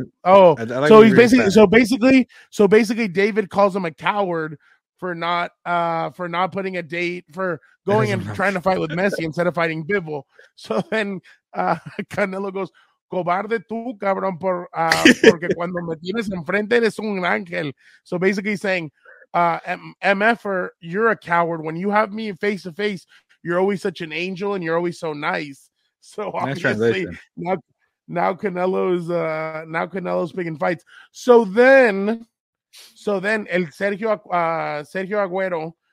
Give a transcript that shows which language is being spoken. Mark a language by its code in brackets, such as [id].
[en] Oh, like so he's basically that. so basically, David calls him a coward for not putting a date for going and trying to fight with Messi instead of fighting Bivol. [es] So then, Canelo goes, "Cobarde tú, cabrón, porque cuando me tienes enfrente eres un ángel." [en] So basically saying, MF-er, you're a coward. When you have me face to face, you're always such an angel and you're always so nice. So obviously now Canelo's picking fights. So then Sergio Agüero,